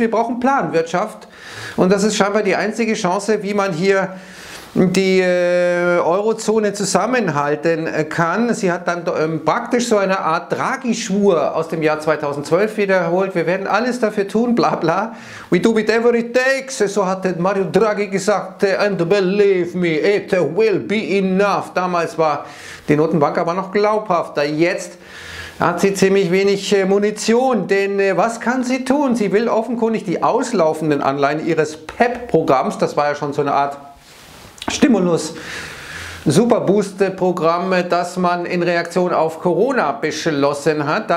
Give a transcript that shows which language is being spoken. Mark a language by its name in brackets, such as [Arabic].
[German] Wir brauchen Planwirtschaft. Und das ist scheinbar die einzige Chance, wie man hier die Eurozone zusammenhalten kann. Sie hat dann praktisch so eine Art Draghi-Schwur aus dem Jahr 2012 wiederholt. Wir werden alles dafür tun, bla bla. [English] We do whatever it takes, [German] so hat Mario Draghi gesagt. [English] And believe me, it will be enough. [German] Damals war die Notenbank aber noch glaubhafter. Jetzt hat sie ziemlich wenig Munition, denn was kann sie tun? Sie will offenkundig die auslaufenden Anleihen ihres PEP-Programms, das war ja schon so eine Art Stimulus, Superboost-Programm, das man in Reaktion auf Corona beschlossen hat.